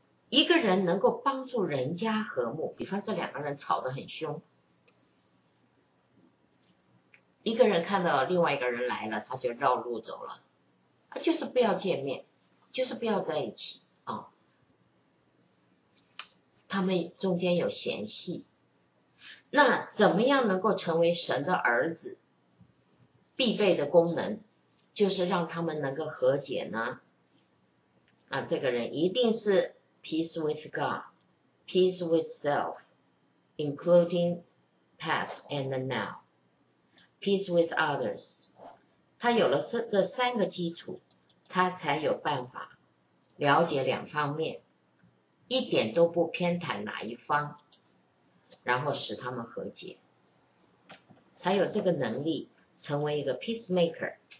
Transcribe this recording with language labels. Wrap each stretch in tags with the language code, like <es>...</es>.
<zh>一个人能够帮助人家和睦，比方这两个人吵得很凶，一个人看到另外一个人来了，他就绕路走了，就是不要见面，就是不要在一起啊。他们中间有嫌隙，那怎么样能够成为神的儿子？必备的功能就是让他们能够和解呢？啊，这个人一定是</zh> <en>Peace with God, peace with self, including past and now, peace with others.</en> <zh>他有了这三个基础，他才有办法了解两方面，一点都不偏袒哪一方，然后使他们和解，才有这个能力成为一个 peacemaker。</zh>